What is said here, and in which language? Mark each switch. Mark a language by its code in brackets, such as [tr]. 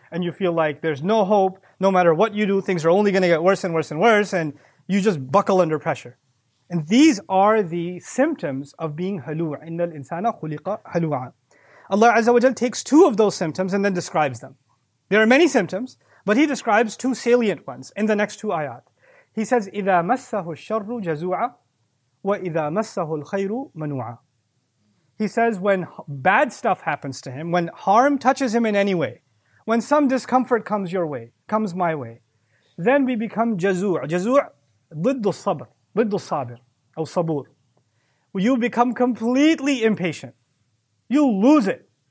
[en] And you feel like there's no hope. No matter what you do, things are only going to get worse and worse and worse. And you just buckle under pressure. And these are the symptoms of being halu'. [ar] Innal insana khuliqa halu'a. [en] Allah Azza wa Jal takes two of those symptoms and then describes them. There are many symptoms, but he describes two salient ones in the next two ayat. He says, [ar] إِذَا مَسَّهُ الشَّرُّ جَزُوعًا وَإِذَا مَسَّهُ الْخَيْرُ مَنُوعًا. [en] He says when bad stuff happens to him, when harm touches him in any way, when some discomfort comes your way, comes my way, then we become جَزُوع. [ar] جَزُوع, ضِدُّ الصَّبْر, أو صَبُور. [en] You become completely impatient. You lose it.